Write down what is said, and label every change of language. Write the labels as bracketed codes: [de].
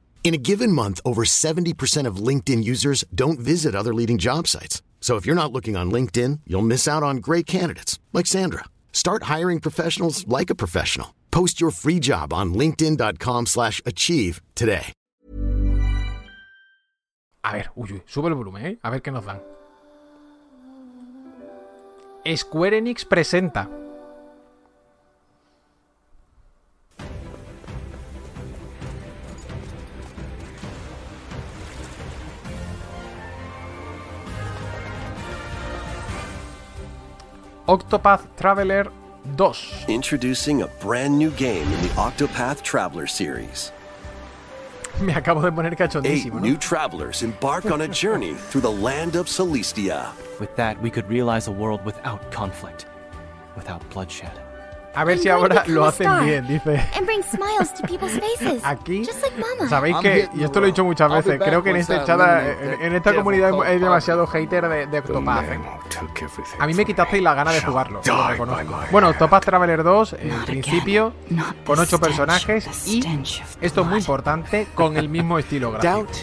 [en] In a given month, over 70% of LinkedIn users don't visit other leading job sites. So if you're not looking on LinkedIn, you'll miss out on great candidates, like Sandra. Start hiring professionals like a professional. Post your free job on linkedin.com/achieve today. [es] A ver, sube el volumen, ¿eh? A ver qué nos dan. Square Enix presenta. Octopath Traveler 2. [en] Introducing a brand new game in the Octopath Traveler series. [es] Me acabo de poner cachondísimo, [en] Eight new travelers embark on a journey through the land of Celestia. With that, we could realize a world without conflict, without bloodshed. [es] A ver si ahora lo hacen bien, dice. [en] And bring smiles to people's faces. [es] Aquí, [en] just like Mama. [es] Sabéis que, y esto lo he dicho muchas veces, creo que en esta chada, en esta comunidad hay demasiado hater de Octopath. A mí me quitasteis la gana de jugarlo. Bueno, Octopath Traveler 2, en principio, con 8 personajes y, esto es muy importante, con el mismo estilo gráfico.